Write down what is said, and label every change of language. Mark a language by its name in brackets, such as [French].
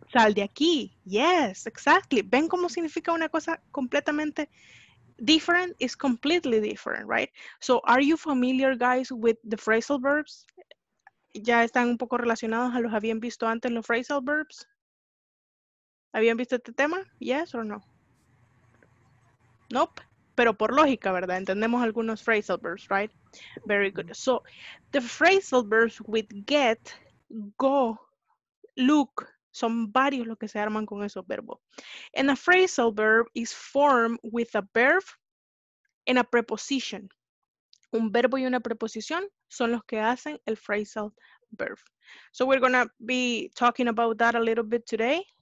[Spanish] Sal de aquí. [English] Yes, exactly. [Spanish] ¿Ven cómo significa una cosa completamente [English] different is completely different, right? So, are you familiar, guys, with the phrasal verbs? [Spanish] ¿Ya están un poco relacionados a los habían visto antes los phrasal verbs? ¿Habían visto este tema? [English] ¿Yes or no? Nope. [Spanish] Pero por lógica, ¿verdad? Entendemos algunos phrasal verbs, [English] right? Very good. So, the phrasal verbs with get, go, look, [Spanish] son varios los que se arman con esos verbos. [English] And a phrasal verb is formed with a verb and a preposition. [Spanish] Un verbo y una preposición son los que hacen el phrasal verb. [English] So, we're going to be talking about that a little bit today.